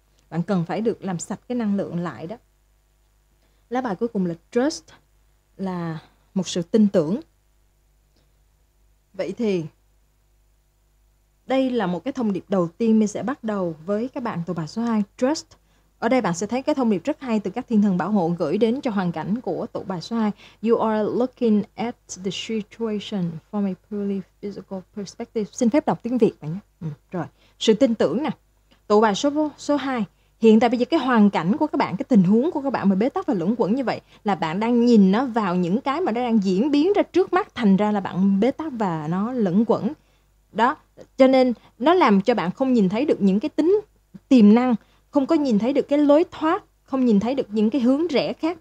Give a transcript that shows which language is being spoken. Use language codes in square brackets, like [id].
[vi] Bạn cần phải được làm sạch cái năng lượng lại đó. Lá bài cuối cùng là Trust, là một sự tin tưởng. Vậy thì đây là một cái thông điệp đầu tiên mình sẽ bắt đầu với các bạn tụ bài số 2, Trust. Ở đây bạn sẽ thấy cái thông điệp rất hay từ các thiên thần bảo hộ gửi đến cho hoàn cảnh của tụ bài số 2. [en] You are looking at the situation from a purely physical perspective. [vi] Xin phép đọc tiếng Việt bạn nhé. Rồi, sự tin tưởng nè. Tụ bài số 2, hiện tại bây giờ cái hoàn cảnh của các bạn, cái tình huống của các bạn mà bế tắc và lẫn quẩn như vậy là bạn đang nhìn nó vào những cái mà nó đang diễn biến ra trước mắt, thành ra là bạn bế tắc và nó lẫn quẩn. Đó, cho nên nó làm cho bạn không nhìn thấy được những cái tính tiềm năng, không có nhìn thấy được cái lối thoát, không nhìn thấy được những cái hướng rẽ khác.